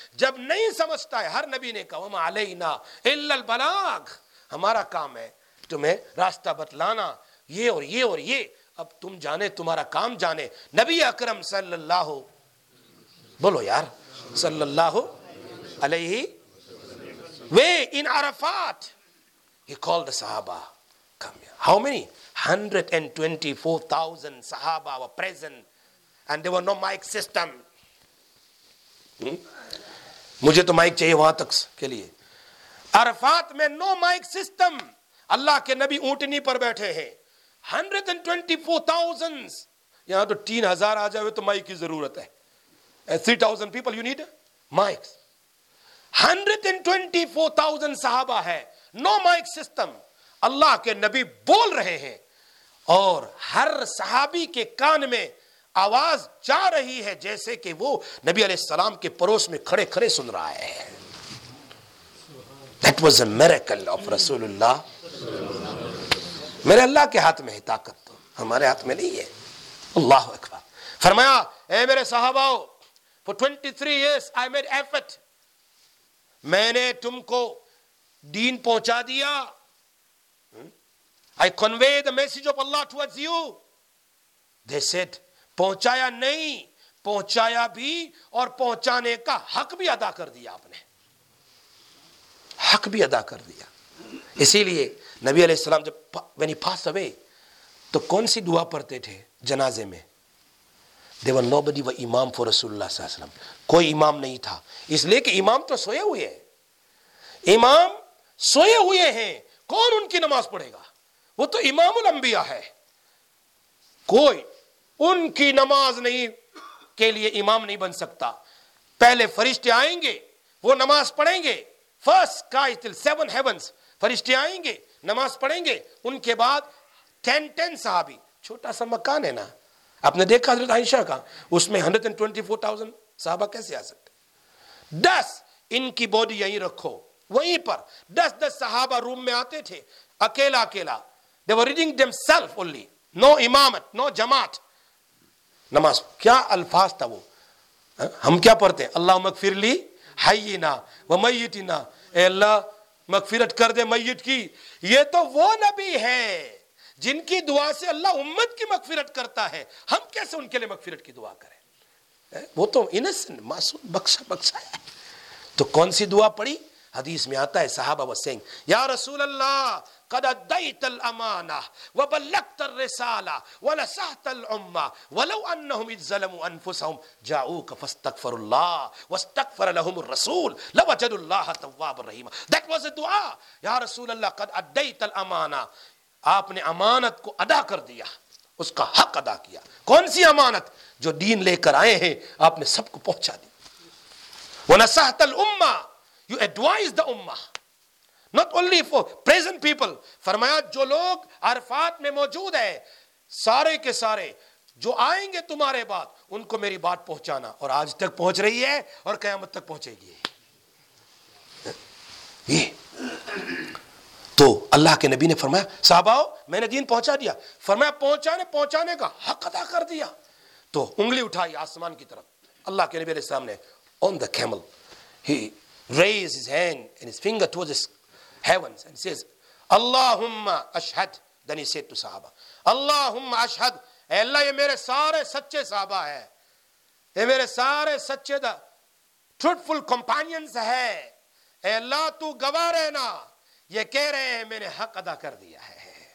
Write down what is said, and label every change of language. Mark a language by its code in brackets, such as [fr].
[ur] جب نہیں سمجھتا ہے, ہر نبی نے کہا [ar] وما علینا الا البلاغ, [ur] ہمارا کام ہے تمہیں راستہ بتلانا, یہ اور یہ اور یہ. اب تم جانے, تمہارا کام جانے. نبی اکرم صلی اللہ بولو یار صلی اللہ علیہ وسلم. [en] In Arafat, he called the Sahaba. Come here. How many? 124,000 Sahaba were present and there were no mic system. [ur] مجھے تو مائک چاہیے وہاں تک کے لیے. عرفات میں نو مائک سسٹم, اللہ کے نبی اونٹنی پر بیٹھے ہیں. 124,000, یہاں تو 3,000 آ جائے تو مائک کی ضرورت ہے. [en] 3,000 people you need mic. [ur] 124,000 صحابہ ہے, نو مائک سسٹم, اللہ کے نبی بول رہے ہیں اور ہر صحابی کے کان میں آواز جا رہی ہے جیسے کہ وہ نبی علیہ السلام کے پڑوس میں کھڑے کھڑے سن رہا ہے. [en] That was a miracle of رسول اللہ. [ur] میرے اللہ کے ہاتھ میں ہے طاقت, تو ہمارے ہاتھ میں نہیں ہے. اللہ اکبر. فرمایا, اے میرے صحابہ, [en] for 23 years I made effort, [ur] میں نے تم کو دین پہنچا دیا. [en] I convey the message of Allah towards you. [ur] They said, پہنچایا نہیں, پہنچایا بھی اور پہنچانے کا حق بھی ادا کر دیا آپ نے, حق بھی ادا کر دیا. اسی لیے نبی علیہ السلام جب [en] when he passed away [ur] تو کون سی دعا پڑھتے تھے جنازے میں؟ [en] there were nobody were [ur] امام for رسول اللہ صلی اللہ علیہ وسلم, کوئی امام نہیں تھا. اس لیے کہ امام تو سوئے ہوئے ہیں, امام سوئے ہوئے ہیں, کون ان کی نماز پڑھے گا؟ وہ تو امام الانبیاء ہے, کوئی ان کی نماز نہیں کے لیے امام نہیں بن سکتا. پہلے فرشتے آئیں گے, وہ نماز پڑھیں گے. [en] first sky till seven heavens, [ur] فرشتے آئیں گے, نماز پڑھیں گے, ان کے بعد 10 صحابی. چھوٹا سا مکان ہے نا, آپ نے دیکھا حضرت عائشہ کا, اس میں 124,000 صحابہ کیسے آ سکتے؟ 10 ان کی باڈی یہی رکھو وہیں پر. 10 صحابہ روم میں آتے تھے اکیلا اکیلا, [en] They were reading them self only, no امامت, no جماعت. [ur] نماز کیا الفاظ تھا وہ, ہم کیا پڑھتے ہیں؟ [ar] اللہ مغفر لی حینا و میتنا, [ur] اے اللہ مغفرت کر دے میت کی. یہ تو وہ نبی ہے جن کی دعا سے اللہ امت کی مغفرت کرتا ہے, ہم کیسے ان کے لیے مغفرت کی دعا کریں؟ وہ تو انسنٹ معصوم بخشا بخشا ہے. تو کون سی دعا پڑھی؟ حدیث میں آتا ہے صحابہ و سینگ, [ar] یا رسول اللہ قد ادیت الامانہ وبلغت الرسالہ ولسحت الامہ ولو انہم اذ ظلموا انفسہم جاؤوک فاستغفر اللہ واستغفر لہم الرسول لوجد اللہ تواب الرحیم. [en] That was a دعا. [ar] یا رسول اللہ قد ادیت الامانہ, [ur] آپ نے امانت کو ادا کر دیا, اس کا حق ادا کیا. کون سی امانت؟ جو دین لے کر آئے ہیں آپ نے سب کو پہنچا دی. [ar] ولسحت الامہ, [en] you advise the ummah, not only for present people. [ur] فرمایا جو لوگ عرفات میں موجود ہیں سارے کے سارے جو آئیں گے تمہارے بعد, ان کو میری بات پہنچانا. اور آج تک پہنچ رہی ہے اور قیامت تک پہنچے گی. تو اللہ کے نبی نے فرمایا صحابہ میں نے دین پہنچا دیا. فرمایا پہنچانے پہنچانے کا حق ادا کر دیا. تو انگلی اٹھائی آسمان کی طرف اللہ کے نبی علیہ السلام نے, [en] on the camel he raised his hand and his finger towards his heavens and says, Allahumma ashhad. Then he said to sahaba, [ar] Allahumma ashhad, [ur] اے اللہ یہ میرے سارے سچے صحابہ ہے, یہ میرے سارے سچے دا truthful companions ہے, اے اللہ تو گواہ رہنا, یہ کہہ رہے ہیں میں نے حق ادا کر دیا ہے.